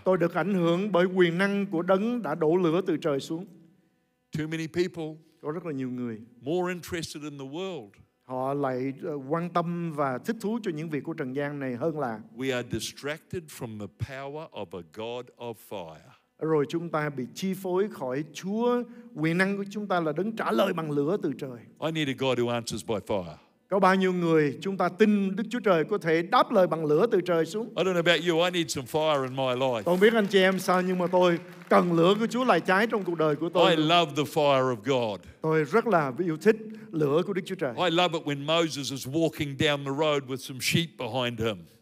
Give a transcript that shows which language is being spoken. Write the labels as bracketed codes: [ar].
[vi] Tôi được ảnh hưởng bởi quyền năng của Đấng đã đổ lửa từ trời xuống. [en] Too many people. [vi] Có rất là nhiều người. [en] More interested in the world. [vi] Họ lại quan tâm và thích thú cho những việc của trần gian này hơn là. [en] We are distracted from the power of a God of fire. [vi] Rồi chúng ta bị chi phối khỏi Chúa, quyền năng của chúng ta là Đấng trả lời bằng lửa từ trời. [en] I need a God who answers by fire. [vi] Có bao nhiêu người chúng ta tin Đức Chúa Trời có thể đáp lời bằng lửa từ trời xuống? [en] I don't know about you, I need some fire in my life. [vi] Tôi biết anh chị em sao, nhưng mà tôi cần lửa của Chúa lại cháy trong cuộc đời của tôi. [en] I love the fire of God. [vi] Tôi rất là yêu thích lửa của Đức Chúa Trời. [en] I love it when Moses is walking down the road with some sheep behind him.